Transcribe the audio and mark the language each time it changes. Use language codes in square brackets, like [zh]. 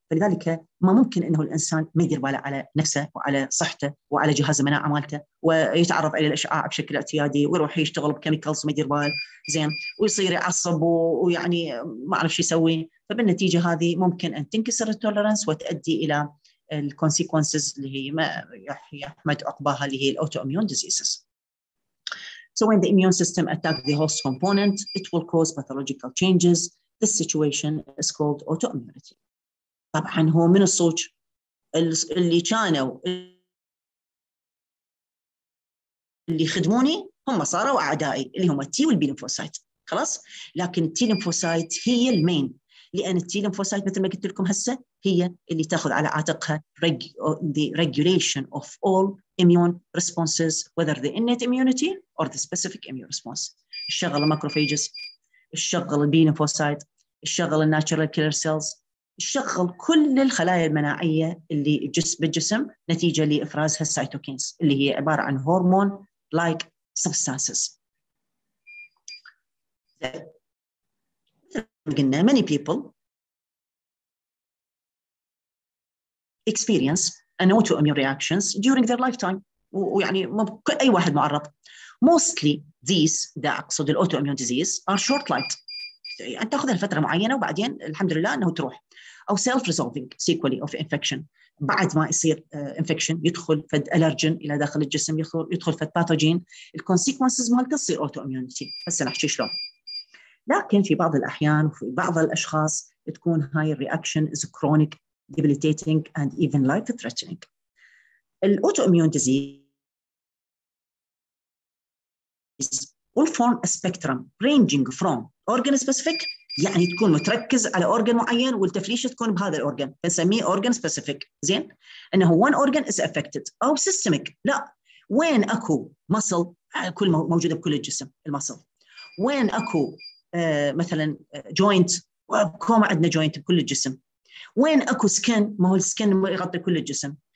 [ar] فلذلك ما ممكن إنه الإنسان ما يدير باله على نفسه وعلى صحته وعلى جهاز المناعة مالته، ويتعرض إلى الإشعاع بشكل اعتيادي، ويروح يشتغل بكيميكالز وما يدير بال زين، ويصير يعصب ويعني ما أعرف شو يسوي. فبالنتيجة هذه ممكن أن تنكسر التولرانس وتؤدي إلى الكونسيكونسز اللي هي ما يحمد عقباها اللي هي الأوتو أميون ديزيزز. [en] So when the immune system attacks the host component, it will cause pathological changes. This situation is called autoimmunity. [ar] طبعاً هو من الصوت اللي كانوا اللي خدموني هم صاروا أعدائي اللي هم T والB lymphocyte. خلاص؟ لكن [en] T lymphocyte [ar] هي المين، لأن [en] T lymphocyte [ar] مثل ما قلت لكم هسه هي اللي تأخذ على عاتقها [en] the regulation of all immune responses, whether the innate immunity or the specific immune response. [ar] الشغل الماكروفاجس، الشغل البي لينفوسايت، الشغل الناتشرال كيلر سيلز، الشغل كل الخلايا المناعية اللي بالجسم نتيجة لإفرازها السيتوكينز اللي هي عبارة عن هرمون like substances. قلنا [en] many people experience an autoimmune reactions during their lifetime. [ar] ويعني أي واحد معرض. [en] Mostly these, [ar] ده أقصد الـ [en] autoimmune disease, are short-lived. [ar] يعني تأخذها لفترة معينة وبعدين الحمد لله أنه تروح. أو [en] self-resolving sequelae of infection. [ar] بعد ما يصير infection يدخل فد allergen إلى داخل الجسم، يدخل فد pathogen. الـ consequences ما تصير autoimmunity. بس نحكي شلون. لكن في بعض الأحيان وفي بعض الأشخاص تكون هاي [en] reaction is chronic, debilitating and even life-threatening. الـ autoimmune disease will form a spectrum ranging from organ specific، [ar] يعني تكون متركز على organ معين والتفليش تكون بهذا الorgan، نسميه [en] organ specific. [ar] زين أنه [en] one organ is affected [ar] أو systemic، لا وين أكو muscle كل موجودة بكل الجسم muscle، وين أكو مثلا joint وكوما عندنا joint بكل الجسم، وين أكو skin ما هو skin يغطي كل الجسم.